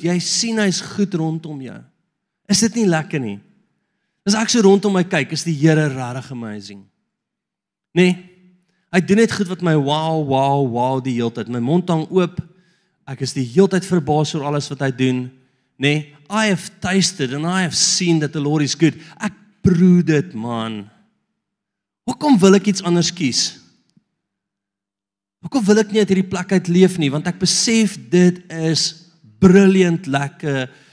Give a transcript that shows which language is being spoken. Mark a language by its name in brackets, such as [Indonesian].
[Afrikaans] Jy sien, hy's goed rondom jou. Is dit nie lekker nie? As ek so rondom my kyk, is die Here regtig amazing. Nee, hy doen net goed wat my wow, wow, wow die heel tyd. My mond hang oop, ek is die heel tyd verbaas oor alles wat hy doen. [English] Nee, I have tasted and I have seen that the Lord is good. [Afrikaans] Ek proe dit, man. Hoekom wil ek iets anders kies? Hoekom wil ek nie uit hierdie plek uit leef nie? Want ek besef dit is brilliant lekker.